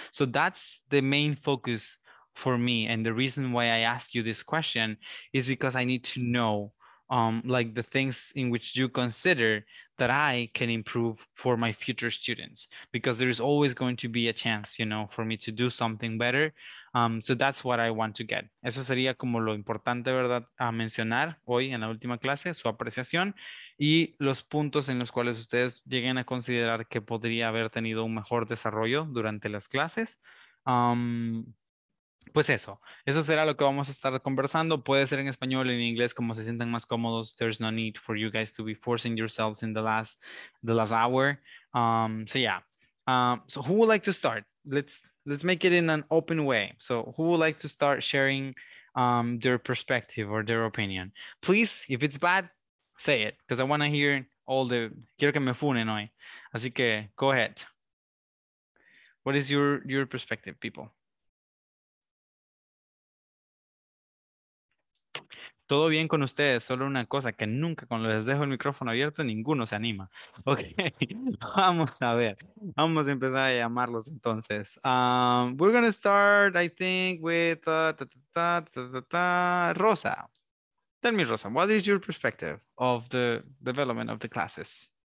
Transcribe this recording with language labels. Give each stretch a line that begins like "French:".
English: So that's the main focus for me. And the reason why I ask you this question is because I need to know like the things in which you consider that I can improve for my future students, because there's always going to be a chance, you know, for me to do something better. So that's what I want to get.
Spanish: Eso sería como lo importante, ¿verdad?, a mencionar hoy en la última clase, su apreciación y los puntos en los cuales ustedes lleguen a considerar que podría haber tenido un mejor desarrollo durante las clases. Pues eso, eso será lo que vamos a estar conversando. Puede ser en español, en inglés, como se sientan más cómodos.
English: There's no need for you guys to be forcing yourselves in the last hour. So yeah, so who would like to start? Let's make it in an open way. So who would like to start sharing their perspective or their opinion? Please, if it's bad, say it, because I want to hear all the...
Spanish: Quiero que me funen hoy. Así que,
English: go ahead. What is your perspective, people?
Spanish: Todo bien con ustedes, solo una cosa, que nunca cuando les dejo el micrófono abierto, ninguno se anima. Ok, vamos a ver. Vamos a empezar a llamarlos entonces.
English: We're going to start, I think, with Rosa. Tell me, Rosa, what is your perspective of the development of the classes?